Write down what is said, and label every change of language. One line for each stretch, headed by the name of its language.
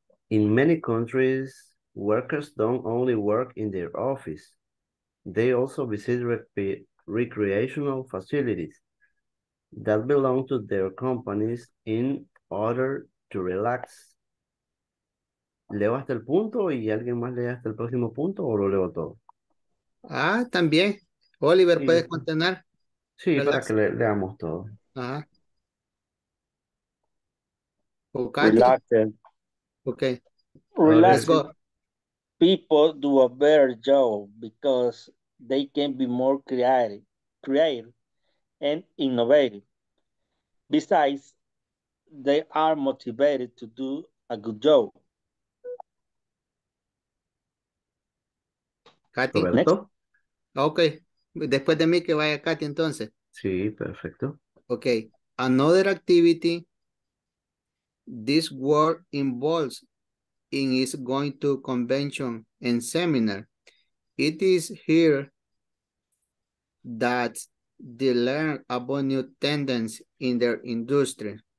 English: In many countries, workers don't only work in their office, they also visit recreational facilities that belong to their companies in order to relax.
Spanish: ¿Leo hasta el punto y alguien más lee hasta el próximo punto o lo leo todo? Ah, también. Oliver, sí. ¿Puedes continuar? Sí, relax. Para que leamos todo. Ajá.
English: Okay. Relax. People do a better job because they can be more creative and innovative. Besides, they are motivated to do a good job. Katy, next.
Spanish: Okay, después de mí que vaya Katy entonces. Sí, perfecto.
English: Okay, another activity. This work involves in is going to convention and seminar. It is here that they learn about new tendencies in their industry.